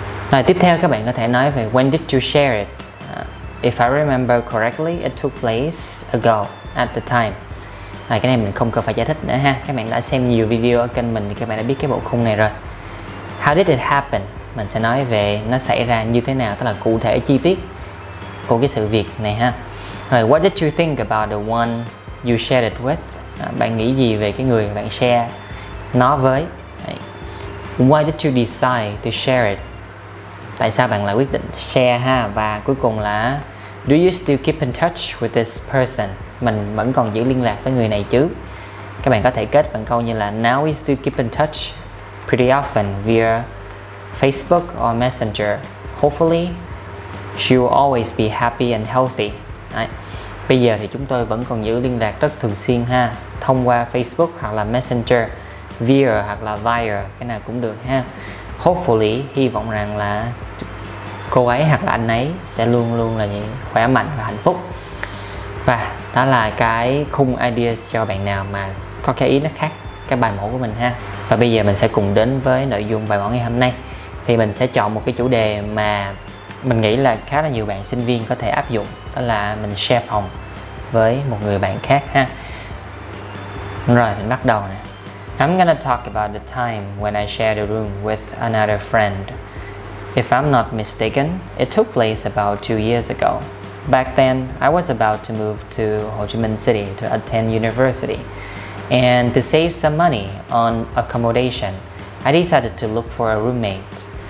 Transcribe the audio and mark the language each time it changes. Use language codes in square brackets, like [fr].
[vi] Rồi tiếp theo các bạn có thể nói về [en] when did you share it. If I remember correctly, it took place ago at the time. [vi] Rồi cái này mình không cần phải giải thích nữa ha. Các bạn đã xem nhiều video ở kênh mình thì các bạn đã biết cái bộ khung này rồi. [en] How did it happen? [vi] Mình sẽ nói về nó xảy ra như thế nào, tức là cụ thể chi tiết của cái sự việc này ha. [en] Rồi what did you think about the one you shared it with? [vi] Bạn nghĩ gì về cái người bạn share nó với? [en] Why did you decide to share it? [vi] Tại sao bạn lại quyết định share ha? Và cuối cùng là [en] do you still keep in touch with this person? [vi] Mình vẫn còn giữ liên lạc với người này chứ? Các bạn có thể kết bằng câu như là [en] now we still keep in touch pretty often via Facebook or Messenger. Hopefully she will always be happy and healthy. [vi] Đấy. Bây giờ thì chúng tôi vẫn còn giữ liên lạc rất thường xuyên ha, thông qua Facebook hoặc là Messenger, via hoặc là via, cái nào cũng được ha. Hopefully, hy vọng rằng là cô ấy hoặc là anh ấy sẽ luôn luôn là những khỏe mạnh và hạnh phúc. Và đó là cái khung ideas cho bạn nào mà có cái ý nó khác cái bài mẫu của mình ha. Và bây giờ mình sẽ cùng đến với nội dung bài mẫu ngày hôm nay. Thì mình sẽ chọn một cái chủ đề mà mình nghĩ là khá là nhiều bạn sinh viên có thể áp dụng, đó là mình share phòng với một người bạn khác ha. Rồi mình bắt đầu nè. [en] I'm gonna talk about the time when I shared a room with another friend. If I'm not mistaken, it took place about 2 years ago. Back then, I was about to move to Ho Chi Minh City to attend university. And to save some money on accommodation, I decided to look for a roommate.